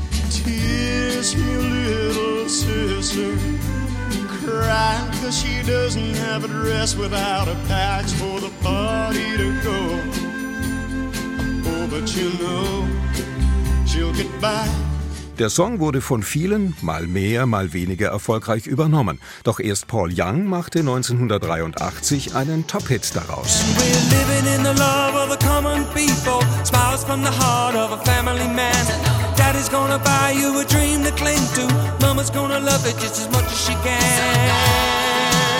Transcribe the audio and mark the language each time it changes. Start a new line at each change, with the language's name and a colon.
English: Tears me little sister. Cry 'cause she doesn't have a dress without a patch for the party to go. Oh, but you know she'll get by.
German: Der Song wurde von vielen, mal mehr, mal weniger erfolgreich übernommen. Doch erst Paul Young machte 1983 einen Top-Hit daraus.
English: We're living in the love of the common people. Smiles from the heart of a family man. Daddy's gonna buy you a dream to cling to. Mama's gonna love it just as much as she can.